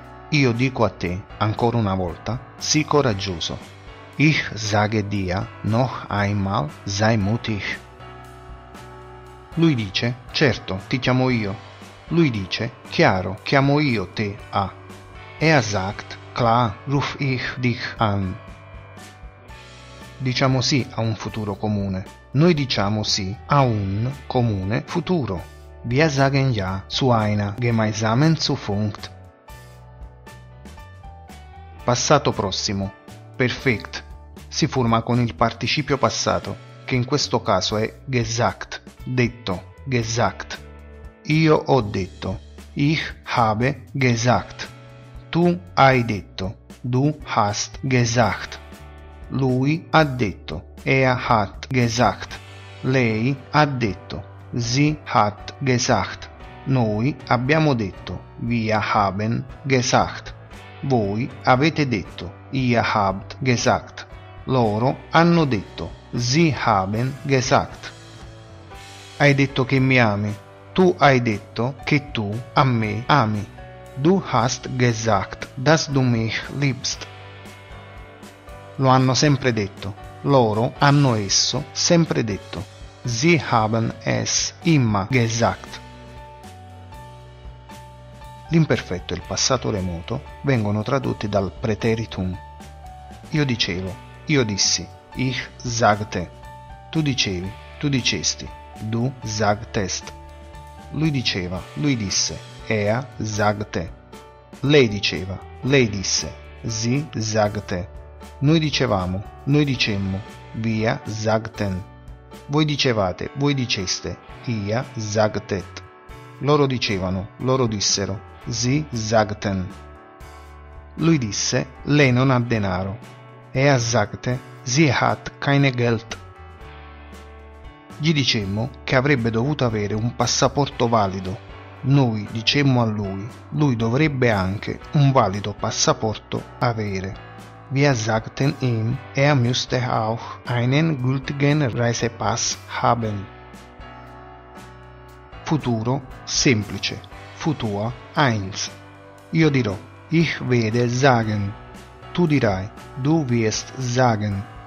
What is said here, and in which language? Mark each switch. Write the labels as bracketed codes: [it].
[it] Io dico a te, ancora una volta, sii coraggioso. [de] Ich sage dir noch einmal, sei mutig. [it] Lui dice, certo, ti chiamo io. Lui dice, chiaro, chiamo io te a. [de] Er sagt, klar, ruf ich dich an. [it] Diciamo sì a un futuro comune. Noi diciamo sì a un comune futuro. [de] Wir sagen ja zu einer gemeinsamen Zukunft. [it] Passato prossimo. [de] Perfekt. [it] Si forma con il participio passato, che in questo caso è gesagt, detto, gesagt. Io ho detto. [de] Ich habe gesagt. [it] Tu hai detto. [de] Du hast gesagt. [it] Lui ha detto. [de] Er hat gesagt. [it] Lei ha detto. [de] Sie hat gesagt. [it] Noi abbiamo detto. [de] Wir haben gesagt. [it] Voi avete detto. [de] Ihr habt gesagt. [it] Loro hanno detto. [de] Sie haben gesagt. [it] Hai detto che mi ami. Tu hai detto che tu a me ami. [de] Du hast gesagt, dass du mich liebst. [it] Lo hanno sempre detto. Loro hanno esso sempre detto. [de] Sie haben es immer gesagt. [it] L'imperfetto e il passato remoto vengono tradotti dal preteritum. Io dicevo, io dissi, [de] ich sagte. [it] Tu dicevi, tu dicesti, [de] du sagtest. [it] Lui diceva, lui disse, [de] er sagte. [it] Lei diceva, lei disse, [de] sie sagte. [it] Noi dicevamo, noi dicemmo, [de] wir sagten. [it] Voi dicevate, voi diceste, [de] ihr sagtet. [it] Loro dicevano, loro dissero, [de] sie sagten. [it] Lui disse, lei non ha denaro. [de] Er sagte, sie hat keine Geld. [it] Gli dicemmo che avrebbe dovuto avere un passaporto valido. Noi dicemmo a lui, lui dovrebbe anche un valido passaporto avere. [de] Wir sagten ihm, er müsste auch einen gültigen Reisepass haben. [it] Futuro, semplice, [de] futur, eins. [it] Io dirò, [de] ich werde sagen. [it] Tu dirai, [de] du wirst sagen.